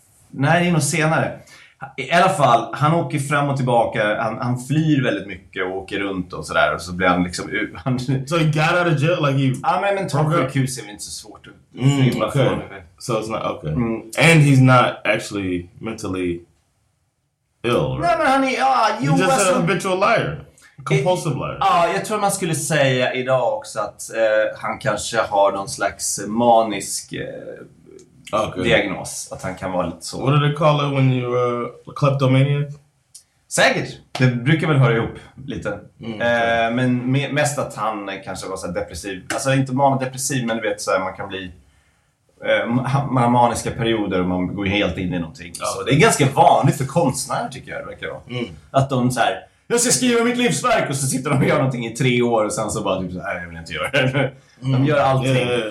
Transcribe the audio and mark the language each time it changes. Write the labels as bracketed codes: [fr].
[sv] Nej, det är nog senare. I alla fall, han åker fram och tillbaka. Han flyr väldigt mycket och åker runt och sådär. Och så blir han liksom... [en] Så he got out of jail? Like you... [sv] Ja, men mentalsjukhus är väl inte så svårt att flyma från. [en] So it's not okay. Mm. And he's not actually mentally ill, right? No, honey. He's just a habitual liar. Compulsive liar. [sv] Ja, jag tror man skulle säga idag också att han kanske har någon slags manisk diagnos. Att han kan vara lite så. [en] What do they call it when you're a kleptomaniac? [sv] Säkert. Det brukar väl höra ihop lite. Men mest att han kanske var så depressiv. Alltså inte manodepressiv, men du vet så här, man kan bli... man har maniska perioder och man går helt in i någonting. Så det är ganska vanligt för konstnärer, tycker jag, det verkar vara. Att de så här: jag ska skriva mitt livsverk, och så sitter de och gör någonting i 3 år, och sen så bara typ så här: jag vill inte göra det. De gör allting.